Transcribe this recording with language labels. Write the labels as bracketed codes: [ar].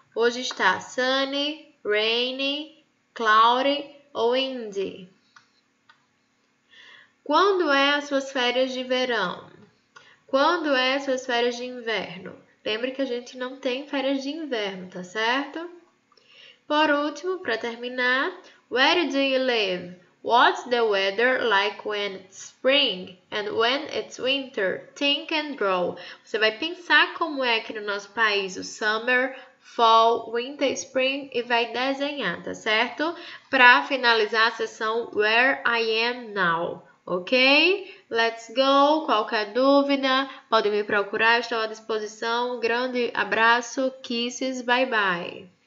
[pt] Hoje está sunny, rainy, cloudy ou windy? Quando é as suas férias de verão? Quando é as suas férias de inverno? Lembre que a gente não tem férias de inverno, tá certo? Por último, para terminar, [en] where do you live? What's the weather like when it's spring and when it's winter? Think and draw. [pt] Você vai pensar como é aqui no nosso país o summer, fall, winter, spring e vai desenhar, tá certo? Para finalizar a sessão, [en] where I am now. Ok? Let's go. [pt] Qualquer dúvida, pode me procurar. Estou à disposição. Um grande abraço. [en] Kisses. Bye, bye.